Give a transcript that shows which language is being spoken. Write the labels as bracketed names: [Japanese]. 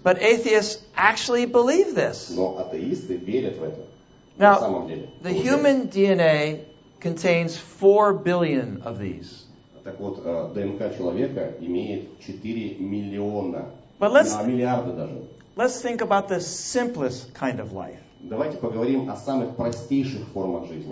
[English] But atheists actually believe this. [Russian] Но атеисты верят в это. [English] Now, [Russian] на самом деле. [English] The human DNA contains 4 billion of these. [Russian] Так вот, ДНК человека имеет 4 миллиона, миллиарды даже. [English] Let's think about the simplest kind of life. [Russian] Давайте поговорим о самых простейших формах жизни.